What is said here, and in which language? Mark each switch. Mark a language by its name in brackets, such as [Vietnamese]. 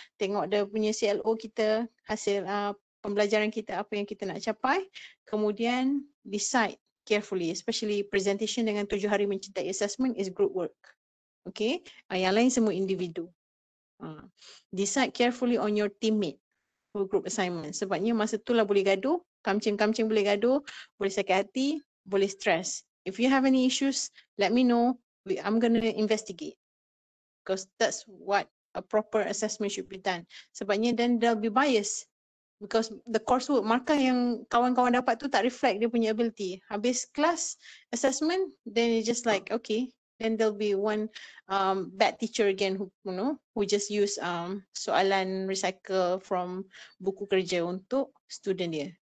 [Malay] Tengok dia punya CLO kita, hasil pembelajaran kita, apa yang kita nak capai. Kemudian [English] decide carefully, especially presentation [Malay] dengan 7 hari mencintai [English] assessment is group work. [Malay] Okay, yang lain semua individu. [English] Decide carefully on your teammate for group assignment. [Malay] Sebabnya masa itulah boleh gaduh, kamcing-kamcing boleh gaduh, boleh sakit hati, boleh stress. [English] If you have any issues, let me know. I'm going to investigate because that's what a proper assessment should be done. [Malay] Sebabnya [English] then they'll be biased because the coursework [Malay] markah yang kawan-kawan dapat tu tak [English] reflect [Malay] dia punya [English] ability. Habis class assessment, then it's just like, okay, then there'll be one bad teacher again who, you know, who just use [Malay] soalan [English] recycle from [Malay] buku kerja untuk [English] student [Malay] dia.